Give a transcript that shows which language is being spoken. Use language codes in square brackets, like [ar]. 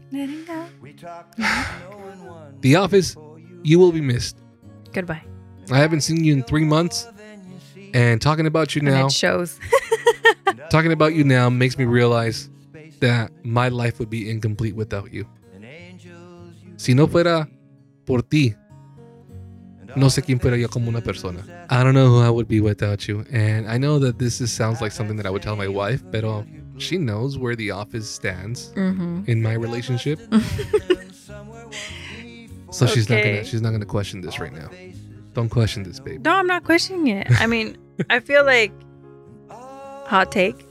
[en] Let it go. The Office, you will be missed. Goodbye. I haven't seen you in 3 months. And talking about you now. And it shows. Talking about you now makes me realize that my life would be incomplete without you. [es] Si no fuera por ti, no sé quién fuera yo como una persona. [en] I don't know who I would be without you. And I know that this just sounds like something that I would tell my wife, [es] pero [en] she knows where The Office stands in my relationship. So okay. she's not gonna question this right now. Don't question this, baby. No, I'm not questioning it. I mean, I feel like hot take.